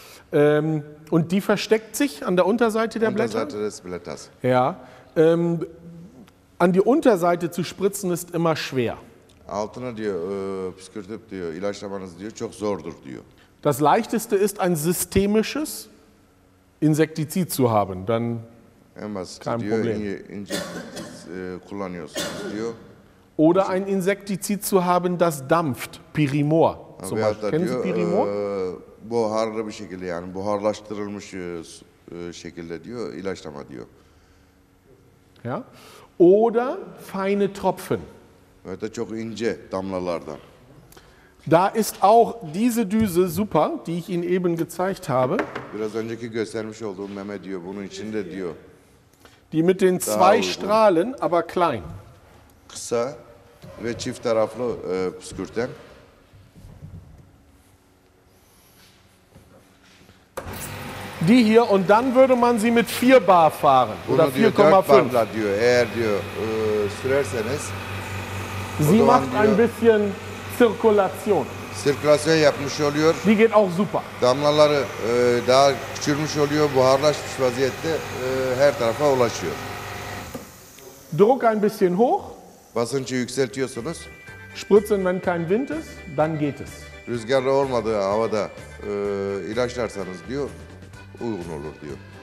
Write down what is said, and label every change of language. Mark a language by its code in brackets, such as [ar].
[de] Und die versteckt sich an der Unterseite der Blätter? An der Seite des Blätters. Ja. An die Unterseite zu spritzen ist immer schwer. [tr] Altına diyor, püskürtüp diyor, ilaçlamanız diyor, çok zordur diyor. [de] Das leichteste ist, ein systemisches Insektizid zu haben. Dann kein Problem. Oder ein Insektizid zu haben, das dampft. Pirimor zum Beispiel. Kennen Sie Pirimor? [tr] Buharlı bir şekilde, yani buharlaştırılmış şekilde diyor, ilaçlama diyor. [de] Ja. Oder feine Tropfen. [tr] Evet, çok ince damlalardan. [de] Da ist auch diese Düse super, die ich Ihnen eben gezeigt habe. [tr] Biraz önceki göstermiş olduğum meme diyor, bunun içinde diyor. [de] Die mit den zwei Strahlen, aber klein. [tr] Kısa ve çift taraflı püskürten. [de] Die hier und dann würde man sie mit 4 bar fahren [tr] bunu [de] oder 4,5. [tr] Bunu diyor, eğer diyor sürerseniz. [de] Sie macht [tr] diyor, [de] ein bisschen Zirkulation. [tr] Zirkulasyon yapmış oluyor. [de] Die geht auch super. [tr] Damlaları daha küçülmüş oluyor, buharlaşmış vaziyette her tarafa ulaşıyor. [de] Druck ein bisschen hoch. [tr] Basıncı yükseltiyorsunuz. [de] Spritzen wenn kein Wind ist, dann geht es. [tr] Rüzgarlı olmadığı havada ilaçlarsanız diyor, uygun olur diyor.